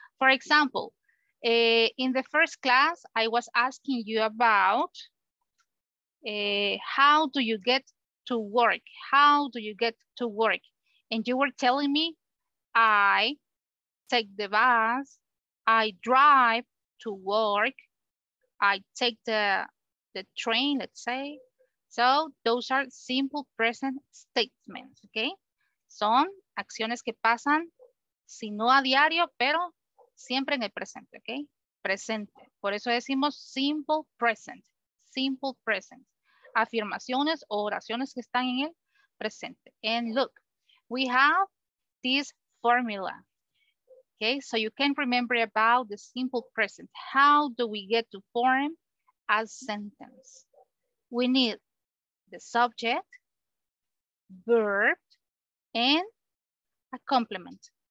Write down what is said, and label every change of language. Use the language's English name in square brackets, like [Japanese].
[English] For example, in the first class, I was asking you about how do you get to work? How do you get to work? And you were telling me, I take the bus, I drive to work, I take the train, let's say. So those are simple present statements, okay? [Spanish] Son acciones que pasan, si no a diario, pero siempre en el presente, okay? Presente. Por eso decimos simple present, simple present. Afirmaciones o oraciones que están en el presente. [English] And look, we have this formula, okay? So you can remember about the simple present. How do we get to form a sentence? We need the subject, verb, and a complement.